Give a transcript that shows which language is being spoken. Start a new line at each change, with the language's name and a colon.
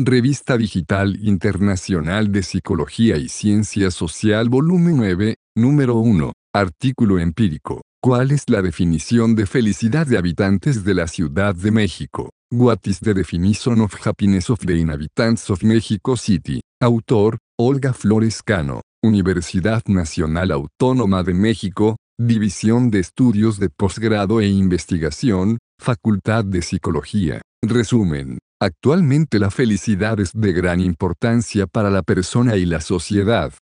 Spanish: Revista Digital Internacional de Psicología y Ciencia Social, volumen 9, número 1, artículo empírico. ¿Cuál es la definición de felicidad de habitantes de la Ciudad de México?
English: What is the definition of happiness of the inhabitants of Mexico City?
Spanish: Autor, Olga Flores Cano, Universidad Nacional Autónoma de México, División de Estudios de Posgrado e Investigación, Facultad de Psicología. Resumen. Actualmente la felicidad es de gran importancia para la persona y la sociedad.